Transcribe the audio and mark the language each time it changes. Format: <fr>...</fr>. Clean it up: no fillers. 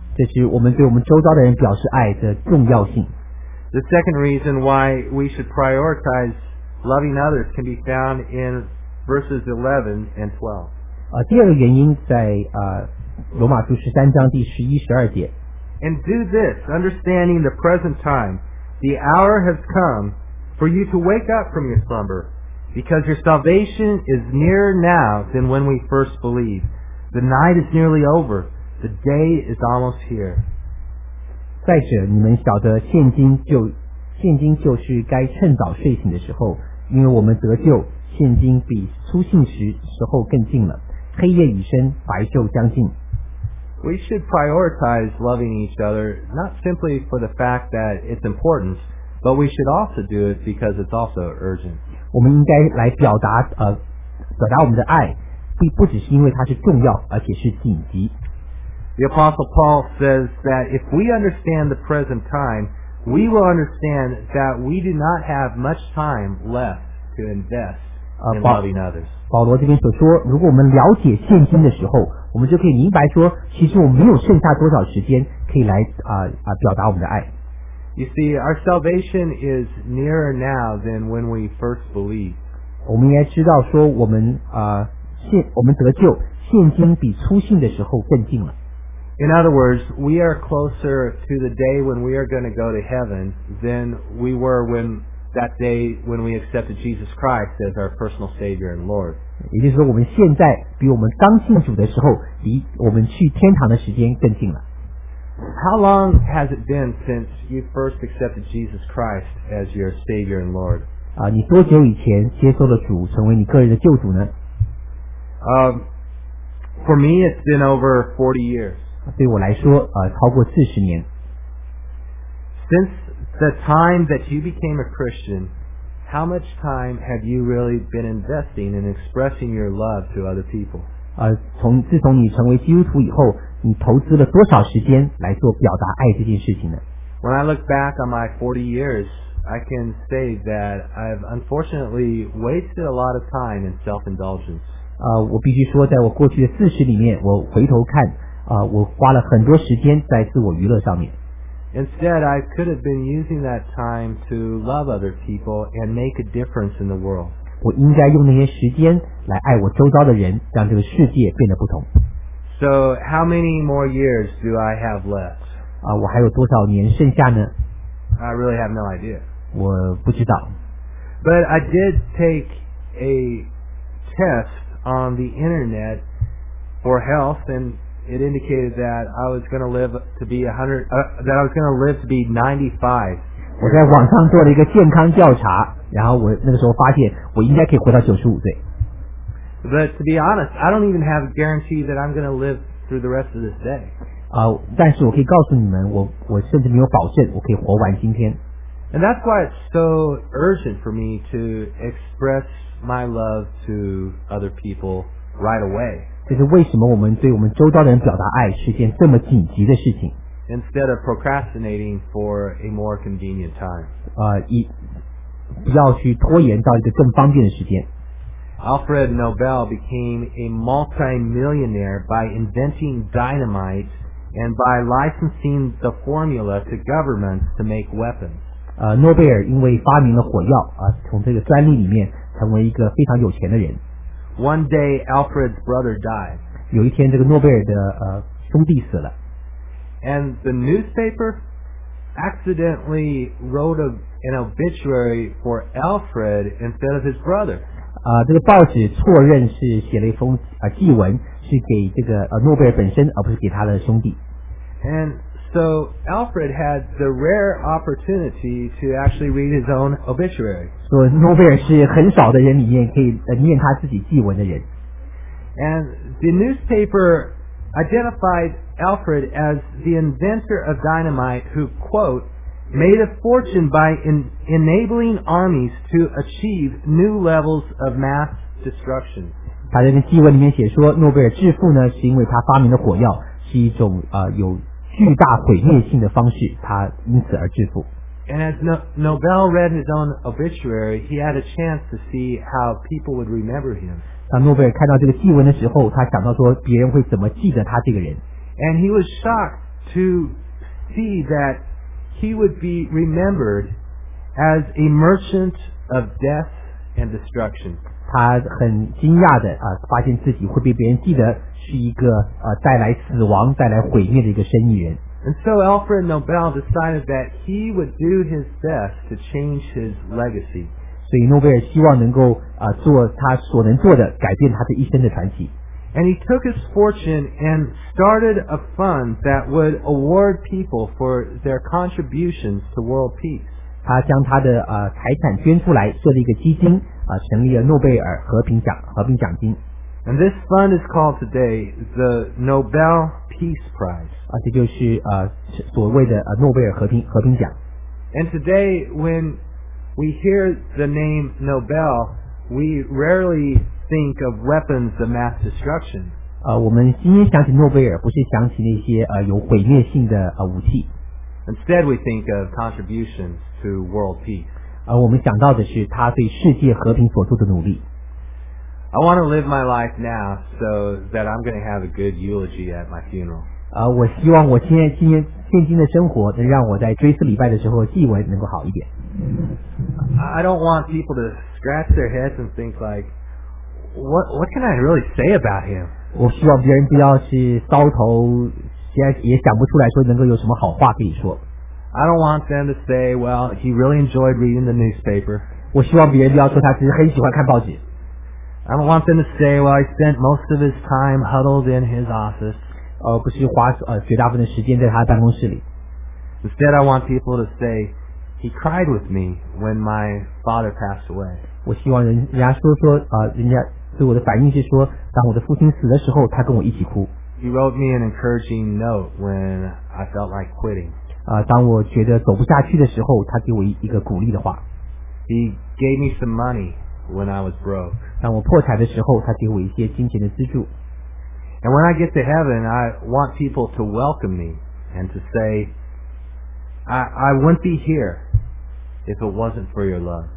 <zh>这是我们对我们周遭的人表示爱的重要性。</zh> <en>The second reason why we should prioritize loving others can be found in verses 11 and 12.</en> <zh>第二个原因在罗马书十三章第十一十二节。</zh> <en>And do this, understanding the present time. The hour has come for you to wake up from your slumber, because your salvation is nearer now than when we first believed. The night is nearly over. The day is almost here.</en> <zh>再者，你们晓得现今就是该趁早睡醒的时候，因为我们得救，现今比初信时候更近了。黑夜已深，白昼将近。</zh> <en>We should prioritize loving each other not simply for the fact that it's important, but we should also do it because it's also urgent.</en> <zh>我们应该来表达我们的爱，不只是因为它是重要，而且是紧急。</zh> <en>The Apostle Paul says that if we understand the present time, we will understand that we do not have much time left to invest in loving others.</en> <zh>保罗这边所说，如果我们了解现今的时候，我们就可以明白说，其实我们没有剩下多少时间可以来表达我们的爱。</zh> <en>You see, our salvation is nearer now than when we first believed.</en> <zh>我们应该知道说，我们得救，现今比初信的时候更近了。</zh> <en>In other words, we are closer to the day when we are going to go to heaven than we were when that day when we accepted Jesus Christ as our personal Savior and Lord.</en> <zh>也就是说，我们现在比我们刚信主的时候，比我们去天堂的时间更近了。</zh> <en>How long has it been since you first accepted Jesus Christ as your Savior and Lord?</en> <zh>你多久以前接受了主，成为你个人的救主呢？</zh> <en>For me, it's been over 40 years.</en> <zh>对我来说超过四十年。</zh> <en>Since the time that you became a Christian, how much time have you really been investing in expressing your love to other people?</en> <zh>自从你成为基督徒以后，你投资了多少时间来做表达爱这件事情呢？</zh> <en>When I look back on my 40 years, I can say that I've unfortunately wasted a lot of time in self-indulgence.</en> <zh>我必须说，在我过去的四十里面，我回头看我花了很多时间在自我娱乐上面。</zh> <en>Instead, I could have been using that time to love other people and make a difference in the world.</en> <zh>我应该用那些时间来爱我周遭的人，让这个世界变得不同。</zh> <en>So, how many more years do I have left?</en> <zh>我还有多少年剩下呢？</zh> <en>I really have no idea.</en> <zh>我不知道。</zh> <en>But I did take a test on the internet for health andIt indicated that I was going to live to be 100, that I was going to live to be 95.</en> <zh>我在网上做了一个健康调查，然后我那个时候发现我应该可以活到95岁。</zh> <en>But to be honest, I don't even have a guarantee that I'm going to live through the rest of this day.</en> <zh>但是我可以告诉你们，我甚至没有保证我可以活完今天。</zh> <en>And that's why it's so urgent for me to express my love to other people right away.</en> <zh>这是为什么我们对我们周遭的人表达爱是件这么紧急的事情。</zh> <en>Instead of procrastinating for a more convenient time.</en> <zh>不要去拖延到一个更方便的时间。</zh> <en>Alfred Nobel became a multi-millionaire by inventing dynamite and by licensing the formula to governments to make weapons.</en> <zh>诺贝尔因为发明了火药，从这个专利里面成为一个非常有钱的人。</zh> <en>One day, Alfred's brother died.</en> <zh>有一天，这个诺贝尔的兄弟死了。</zh> <en>And the newspaper accidentally wrote an obituary for Alfred instead of his brother.</en> <zh>这个报纸错认是写了一封祭文，是给这个诺贝尔本身，而不是给他的兄弟。</zh> <en>And so Alfred had the rare opportunity to actually read his own obituary.</en> <zh>所以诺贝尔是很少的人里面可以念他自己祭文的人。</zh> <en>And the newspaper identified Alfred as the inventor of dynamite who, quote, made a fortune by enabling armies to achieve new levels of mass destruction.</en> <zh>他在那祭文里面写说，诺贝尔致富呢，是因为他发明的火药是一种有巨大毁灭性的方式，他因此而致富。</zh> <en>And as Nobel read his own obituary, he had a chance to see how people would remember him.</en> <zh>当诺贝尔看到这个祭文的时候，他想到说别人会怎么记得他这个人。</zh> <en>And he was shocked to see that he would be remembered as a merchant of death and destruction.</en> <zh>他很惊讶的啊，发现自己会被别人记得是一个带来死亡、带来毁灭的一个生意人。</zh> <en>And so Alfred Nobel decided that he would do his best to change his legacy.</en> <zh>所以诺贝尔希望能够做他所能做的，改变他的一生的传奇。</zh> <en>And he took his fortune and started a fund that would award people for their contributions to world peace.</en> <zh>他将他的财产捐出来，设立一个基金，成立了诺贝尔和平奖金。</zh> <en>And this fund is called today the Nobel Peace Prize.</en> <zh>这就是所谓的诺贝尔和平奖。</zh> <en>And today when we hear the name Nobel, we rarely think of weapons of mass destruction.</en> <zh>我们今天想起诺贝尔，不是想起那些有毁灭性的武器。</zh> <en>Instead, we think of contributions to world peace.</en> <zh>我们想到的是他对世界和平所做的努力。</zh> <en>I want to live my life now so that I'm going to have a good eulogy at my funeral.</en> <zh>我希望我现今的生活能让我在追思礼拜的时候祭文能够好一点。</zh> <en>I don't want people to scratch their heads and think like, what can I really say about him?</en> <zh>我希望别人不要去搔头，现在也想不出来说能够有什么好话可以说。</zh> <en>I don't want them to say, well, he really enjoyed reading the newspaper.</en> <zh>我希望别人不要说他其实很喜欢看报纸。</zh> <en>I don't want them to say, well, he spent most of his time huddled in his office.</en> <zh>不是花绝大部分的时间在他的办公室里。</zh> <en>Instead, I want people to say, he cried with me when my father passed away.</en> <zh>我希望人家说人家对我的反应是说，当我的父亲死的时候，他跟我一起哭。</zh> <en>He wrote me an encouraging note when I felt like quitting.</en> <zh>当我觉得走不下去的时候，他给我一个鼓励的话。</zh> <en>He gave me some money. When I was broke.</en> <zh>当我破产的时候，他给我一些金钱的资助。</zh> <en>And when I get to heaven, I want people to welcome me and to say, I wouldn't be here if it wasn't for your love.</en>